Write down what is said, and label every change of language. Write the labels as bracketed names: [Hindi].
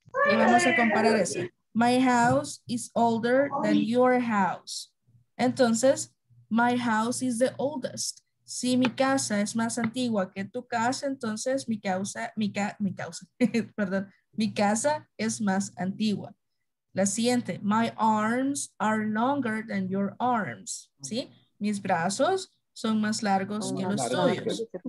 [Spanish] Y vamos a comparar eso. [English] My house is older than your house. Entonces, my house is the oldest. [Spanish] Si mi casa es más antigua que tu casa, entonces mi casa es más antigua. La siguiente, [English] my arms are longer than your arms. [Spanish] ¿Sí? Mis brazos son más largos que los tuyos.